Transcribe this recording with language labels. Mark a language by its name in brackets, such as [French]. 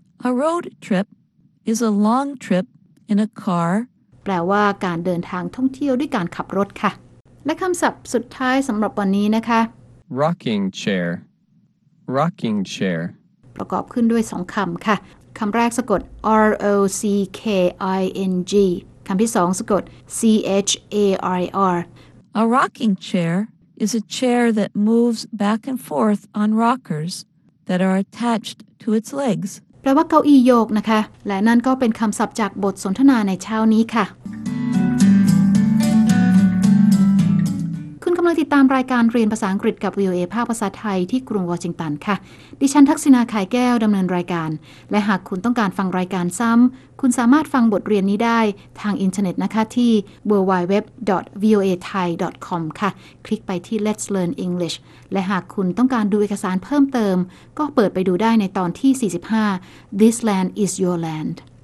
[English] A road trip is a long trip in a car [Thai] แปลว่าการเดินทางท่องเที่ยวด้วยการขับรถค่ะและคำศัพท์สุดท้ายสำหรับวันนี้นะคะ [English] rocking chair rocking chair [Thai] ประกอบขึ้นด้วยสองคำค่ะคำแรกสะกด r o c k i n g คำที่สองสะกด c h a i r [English] a rocking chair is a chair that moves back and forth on rockers that are attached to its legs [Thai] แปลว่าเก้าอี้โยกนะคะและนั่นก็เป็นคำศัพท์จากบทสนทนาในเช้านี้ค่ะคุณกำลังติดตามรายการเรียนภาษาอังกฤษกับ VOA ภาคภาษาไทยที่กรุงวอชิงตันค่ะ ดิฉันทักษิณาขายแก้วดำเนินรายการและหากคุณต้องการฟังรายการซ้ำคุณสามารถฟังบทเรียนนี้ได้ทางอินเทอร์เน็ตนะคะที่ www.voathai.com ค่ะคลิกไปที่ Let's Learn English และหากคุณต้องการดูเอกสารเพิ่มเติมก็เปิดไปดูได้ในตอนที่45 [English] This Land Is Your Land